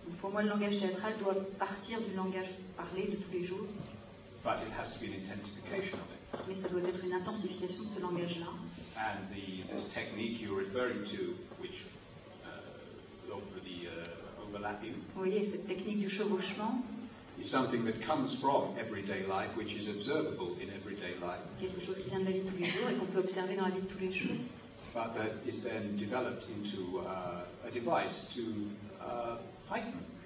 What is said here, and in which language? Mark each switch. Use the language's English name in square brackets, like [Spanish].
[French] Pour moi, le langage théâtral doit partir du langage parlé de tous les jours. [English] But it has to be an intensification of it. [French] Mais ça doit être une intensification de ce langage-là. [English] And this technique you're referring to, which over the overlapping. [French] Vous voyez, cette technique du chevauchement. [English] Is something that comes from everyday life, which is observable in everyday life. [French] Quelque chose qui vient de la vie de tous les jours et qu'on peut observer dans la vie de tous les jours. [English] But that is then developed into a device to heighten.